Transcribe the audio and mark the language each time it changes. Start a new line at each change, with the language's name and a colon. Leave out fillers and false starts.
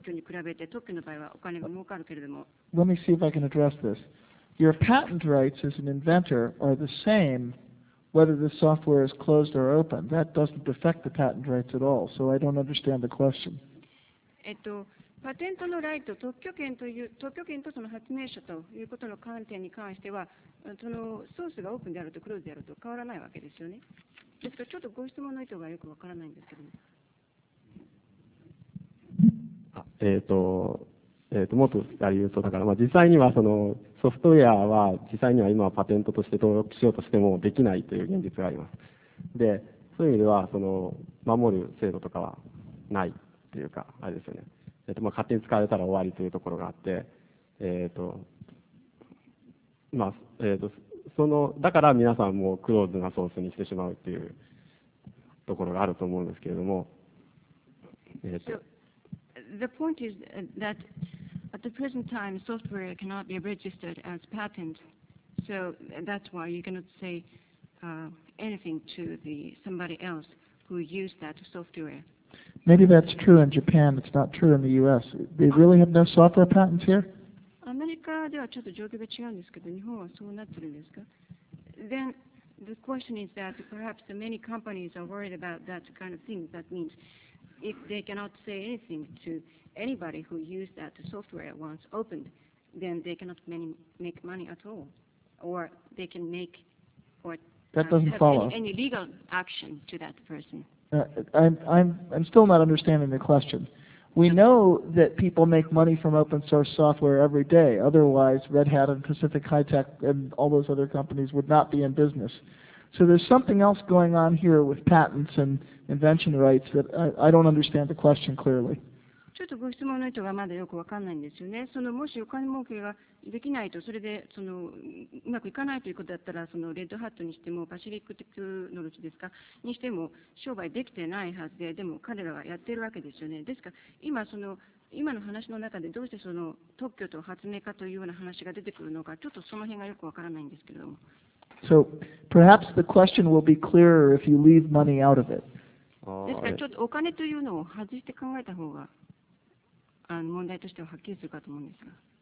English: Let me see if I can address this. Your patent rights as an inventor are the same whether the software is closed or open. That doesn't affect the patent rights at all, so I don't understand the question.
Japanese: パテントのライト、特許権とその発明者ということの観点に関しては、そのソースがオープンであるとクローズであると変わらないわけですよね。ですからちょっとご質問の意図がよくわからないんですけども。もっとやり言うと、だから、まあ、実際にはそのソフトウェアは実際には今はパテントとして登録しようとしてもできないという現実があります。で、そういう意味ではその守る制度とかはないというか、あれですよね。まあ、勝手に使われたら終わりというところがあって、まあ、だから皆さんもクローズなソースにしてしまうというところがあると思うんですけれども、
English: The point is that at the present time, software cannot be registered as patent. So that's why you cannot say anything to somebody else who use that software. Maybe that's true in Japan. It's not true in the U.S. They really have no software patents here?
Japanese: アメリカではちょっと状況が違うんですけど、日本はそうなってるんですか?
English: Then the question is that perhaps many companies are worried about that kind of thing. That means if they cannot say anything to anybody who used that software once opened, then they cannot make money at all. Or they can make or that doesn't have follow. Any legal action to that person. I'm still not understanding the question. We know that people make money from open source software every day. Otherwise, Red Hat and Pacific High Tech and all those other companies would not be in business. So there's something else going on here with patents and invention rights that I don't understand the question clearly.
Japanese: ちょっとご質問の意図がまだよくわかんないんですよね。そのもしお金儲けができないと、それでそのうまくいかないということだったら、そのレッドハットにしても、パシフィックテクノロジーですか、にしても商売できてないはずで、でも彼らはやってるわけですよね。ですから、今の話の中でどうしてその特許と発明家というような話が出てくるのか、ちょっとその辺がよくわからないんですけれども。
English: So, perhaps the question will be clearer if you leave money out of it.
Japanese: ですから、ちょっとお金というのを外して考えた方が。問題としてははっきりするかと思うんですが。